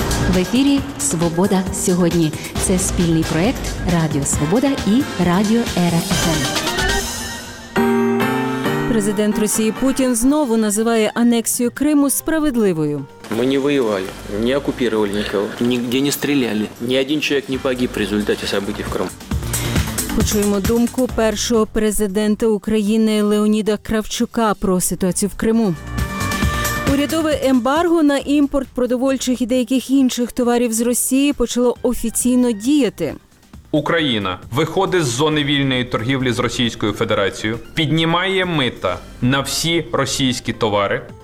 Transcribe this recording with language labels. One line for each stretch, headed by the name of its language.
Ukrainian: В ефірі «Свобода сьогодні». Це спільний проєкт «Радіо Свобода» і «Радіо РФМ». Президент Росії Путін знову називає анексію Криму справедливою.
Russian: Мы не воевали, не оккупировали никого. Нигде не стреляли. Ни один человек не погиб в результате событий в Крыму.
Ukrainian: Почуємо думку першого президента України Леоніда Кравчука про ситуацію в Криму. Урядове ембарго на імпорт продовольчих і деяких інших товарів з Росії почало офіційно діяти. Україна виходить з зони вільної торгівлі з Російською Федерацією, піднімає мита на всі російські товари.